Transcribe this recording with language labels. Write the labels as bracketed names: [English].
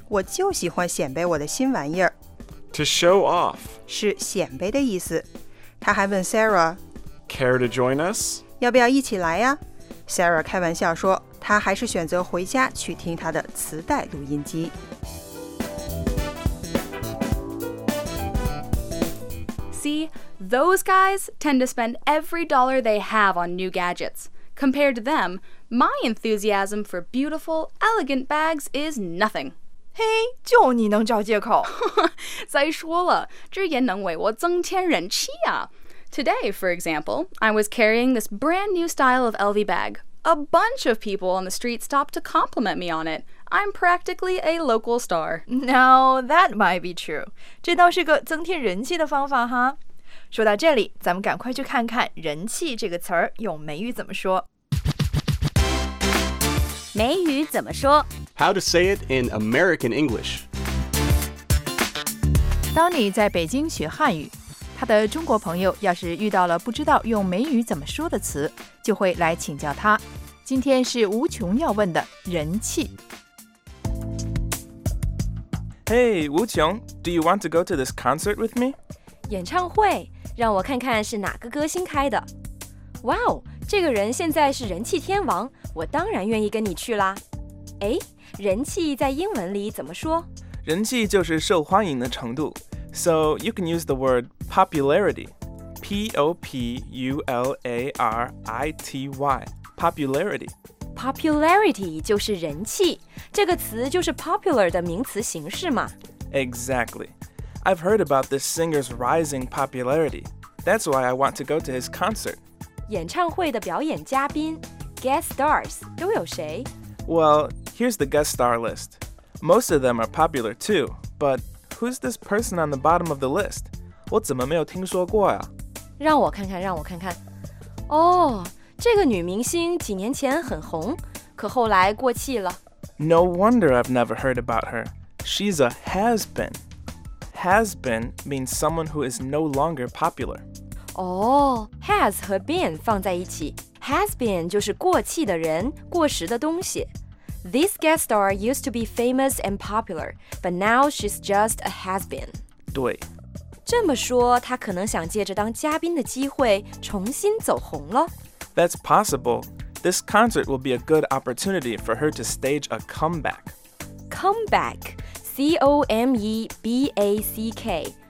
[Chinese] 我就喜欢显摆我的新玩意儿。 [English] To show off. [Chinese] 是显摆的意思。他还问 Sarah, [English] Care to join us? [Chinese] 要不要一起来呀 ?Sarah 开玩笑说他还是选择回家去听他的磁带录音机。 [English] See, those guys tend to spend every dollar they have on new gadgets. Compared to them, my enthusiasm for beautiful, elegant bags is nothing. [Chinese] Hey, 就你能找借口。再说了，这也能为我增添人气啊。 [English] Today, for example, I was carrying this brand new style of LV bag. A bunch of people on the street stopped to compliment me on it. I'm practically a local star. Now, that might be true. [Chinese] 这倒是个增添人气的方法哈。说到这里，咱们赶快去看看人气这个词儿用美语怎么说。美语怎么说 [English] ?How to say it in American English. [Chinese] 当你在北京学汉语，他的中国朋友要是遇到了不知道用美语怎么说的词，就会来请教他。今天是无穷要问的人气。 [English] Hey, Wu Qiong, do you want to go to this concert with me? [Chinese] 演唱会，让我看看是哪个歌星开的。Wow, 这个人现在是人气天王，我当然愿意跟你去啦。哎，人气在英文里怎么说？人气就是受欢迎的程度。 [English] So you can use the word popularity, P-O-P-U-L-A-R-I-T-Y, popularity. [Chinese] Popularity 就是人气，这个词就是 popular 的名词形式嘛。 [English] Exactly. I've heard about this singer's rising popularity. That's why I want to go to his concert. [Chinese] 演唱会的表演嘉宾 ,guest stars, 都有谁 [English] ?Well, here's the guest star list. Most of them are popular too, but who's this person on the bottom of the list? [Chinese] 我怎么没有听说过啊？让我看看，让我看看。哦、oh,这个女明星几年前很红，可后来过气了。 [English] No wonder I've never heard about her. She's a has-been. Has-been means someone who is no longer popular. [Chinese] 哦、has 和 been 放在一起。Has-been 就是过气的人，过时的东西。 [English] This guest star used to be famous and popular, but now she's just a has-been. [Chinese] 对。这么说，她可能想借着当嘉宾的机会重新走红了。 [English] That's possible. This concert will be a good opportunity for her to stage a comeback. Comeback, C-O-M-E-B-A-C-K.